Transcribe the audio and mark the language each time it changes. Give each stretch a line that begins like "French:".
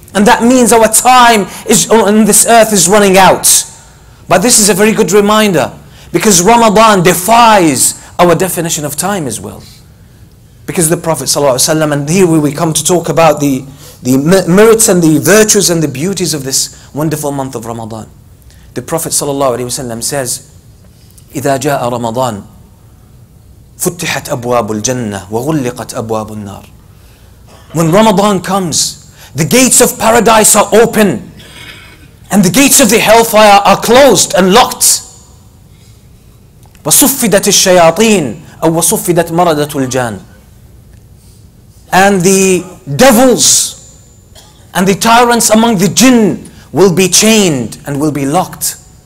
English: And that means our time is on this earth is running out. But this is a very good reminder, because Ramadan defies our definition of time as well. Because the Prophet ﷺ, and here we come to talk about the merits and the virtues and the beauties of this wonderful month of Ramadan. The Prophet ﷺ says,
Arabic: إِذَا جَاءَ رَمَضَانَ فُتِّحَتْ أَبْوَابُ الْجَنَّةِ وَغُلِّقَتْ أَبْوَابُ النَّارِ.
English: When Ramadan comes, the gates of paradise are open and the gates of the hellfire are closed and locked.
Arabic: وَصُفِّدَتِ الشَّيَاطِينَ أَوْ وَصُفِّدَتْ مَرَدَةُ الْجَانِ.
English: And the devils and the tyrants among the jinn will be chained and will be locked.